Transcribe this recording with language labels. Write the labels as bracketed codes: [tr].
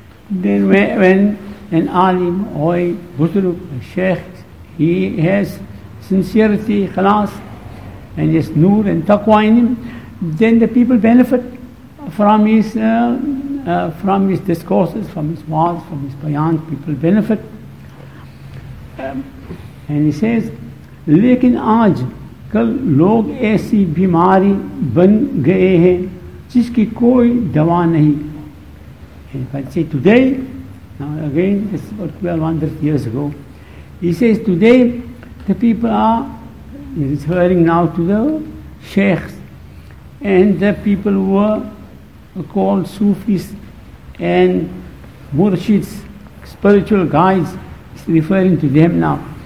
[en] Then when an alim, or a buzruk, a sheikh, he has sincerity, khalas, and his nur and taqwa in him, then the people benefit from his discourses, from his waaz, from his bayan. People benefit. And he says, [ur] لیکن آج کل لوگ ایسی بیماری بن گئے ہیں جس کی کوئی دوا نہیں. [en] And if I say today, now again, this is about 1200 years ago, he says today, the people are referring now to the sheikhs, and the people who were called Sufis and Murshids, spiritual guides, he's referring to them now.